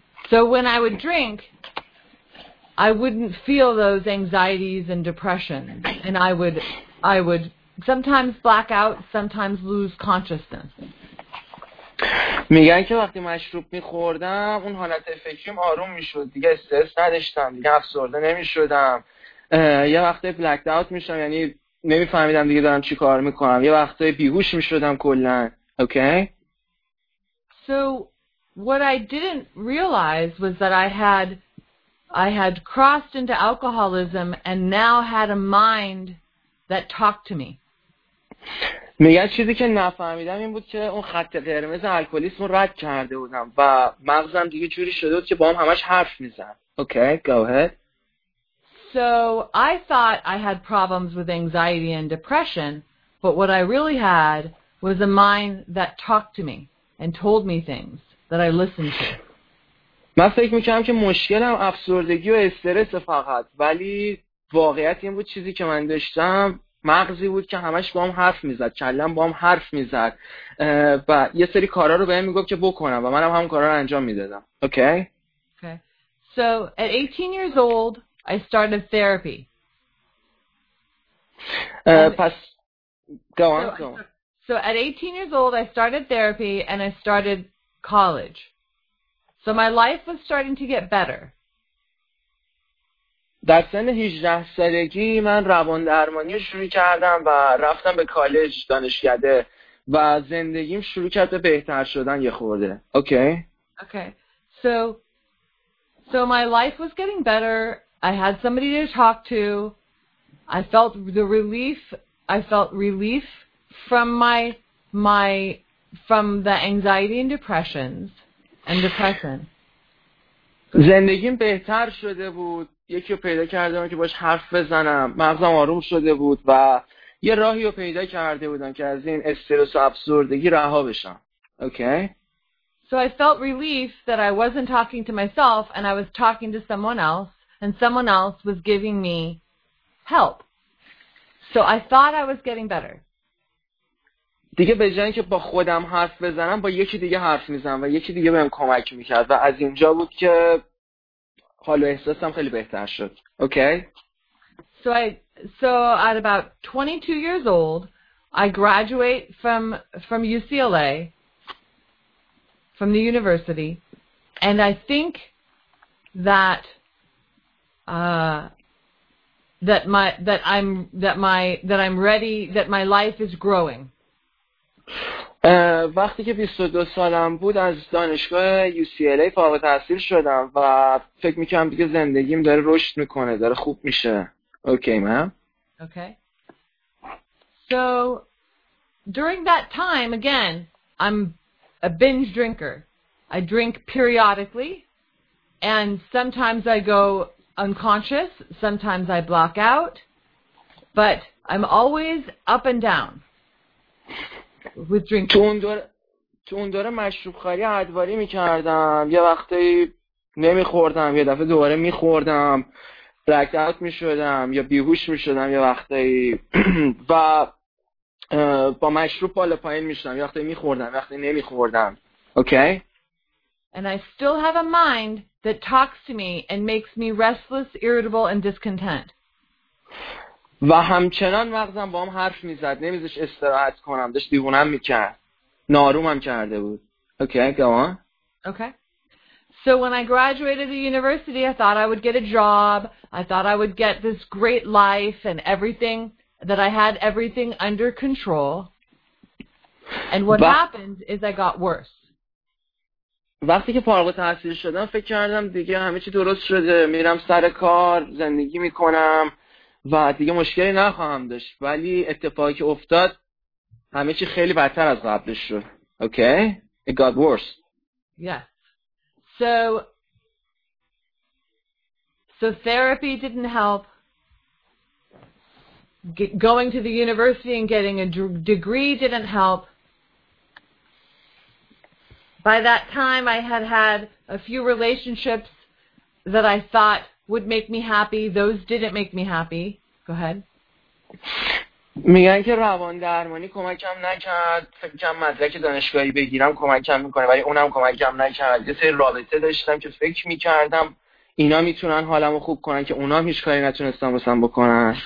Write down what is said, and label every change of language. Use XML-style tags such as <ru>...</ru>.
<en>So when I would drink, I wouldn't feel those anxieties and depression. And I would sometimes black out, sometimes lose consciousness.</en> <fa>میگن که وقتی مشروب میخوردم اون حالت فکریم آروم میشد، دیگه استرس نداشتم، دیگه افسرده نمیشدم، یه وقتی بلک اوت میشدم، یعنی نمیفهمیدم دیگه دارم چی کار میکنم، یه وقتای بیهوش میشدم کلن.</fa> <en>Okay. So what I didn't realize was that I had crossed into alcoholism and now had a mind that talked to me.</en> <fa>میگه چیزی که نفهمیدم این بود که اون خط قرمز الکلیسم رد کرده بودم و مغزم دیگه جوری شده بود که با هم همش حرف میزن.</fa> <en>Okay, go ahead. So I thought I had problems with anxiety and depression, but what I really had was a mind that talked to me and told me things that I listened to.</en> <fa>من فکر میکردم که مشکلم افسردگی و استرس فقط، ولی واقعیت این بود چیزی که من داشتم مغزی بود که همش با هم حرف میزد، کلم با هم حرف میزد و یه سری کارا رو به هم میگفت که بکنم و منم همون کارا رو انجام میدادم.</fa> <en>Okay. Okay. So at 18 years old, I started therapy. So at 18 years old, I started therapy and I started college. So my life was starting to get better.</en> <fa>در سن 18 سالگی من روان درمانی شروع کردم و رفتم به کالج دانشگاه و زندگیم شروع کرد به بهتر شدن یه خورده. اوکی.</fa> <en>Okay. So So my life was getting better. I had somebody to talk to. I felt the relief. I felt relief from my from the anxiety and depressions and depression.</en> <fa>زندگیم بهتر شده بود. یکی رو پیدا کردم که باش حرف بزنم. مغزم آروم شده بود و یه راهی رو پیدا کرده بودم که از این استرس و افسردگی رها بشم.</fa> <en>Okay. So I felt relief that I wasn't talking to myself and I was talking to someone else and someone else was giving me help. So I thought I was getting better.</en> <fa>دیگه به جای اینکه با خودم حرف بزنم با یکی دیگه حرف میزنم و یکی دیگه بهم کمک میکرد و از اینجا بود که حال و احساسم خیلی بهتر شد.</fa> <en>Okay. So at about 22 years old, I graduate from UCLA. From the university, and I think that I'm ready, that my life is growing.</en> <fa>وقتی که 22 سالم بود از دانشگاه UCLA فارغ التحصیل شدم و فکر می‌کردم دیگه زندگیم داره رشد می‌کنه، داره خوب میشه.</fa> <en>Okay, ma'am. Okay. So during that time again, I'm a binge drinker. I drink periodically, and sometimes I go unconscious, sometimes I block out, but I'm always up and down with drinking.</en> <fa>تو اون دوره مشروب‌خوری عدواری می‌کردم، یه وقتی نمی‌خوردم، یه دفعه دوباره می‌خوردم، بلک اوت می‌شدم یا بیهوش می‌شدم یه وقتی و با مشروب بالا پایین می‌شدم، یه وقتی می‌خوردم، یه وقتی نمی‌خوردم.</fa> <en>Okay? And I still have a mind that talks to me and makes me restless, irritable, and discontent.</en> <fa>و همچنان مغزم با هم حرف میزد. نمیذاش استراحت کنم. داشت دیوونم میکرد. نارومم کرده بود.</fa> <en>Okay, go on. Okay. So when I graduated the university, I thought I would get a job. I thought I would get this great life and everything, that I had everything under control. And what happened is I got worse.</en> <fa>وقتی که فارغ التحصیل شدم فکر کردم دیگه همه چی درست شده، میرم سر کار زندگی میکنم و دیگه مشکلی نخواهم داشت، ولی اتفاقی که افتاد همه چی خیلی بدتر از قبلش شد.</fa> <en>Okay, it got worse. Yes. So therapy didn't help. Going to the university and getting a degree didn't help. By that time, I had had a few relationships that I thought would make me happy. Those didn't make me happy. Go ahead.</en> <fa>میگن که روان درمانی کمکم نکرد. فکر کنم مدرک دانشگاهی بگیرم کمکم میکنه، ولی اونم کمکم نکرد. یه سری رابطه داشتم که فکر میکردم اینا میتونن حالمو خوب کنن که اونا هیچ کاری نتونستن واسم بکنن.</fa>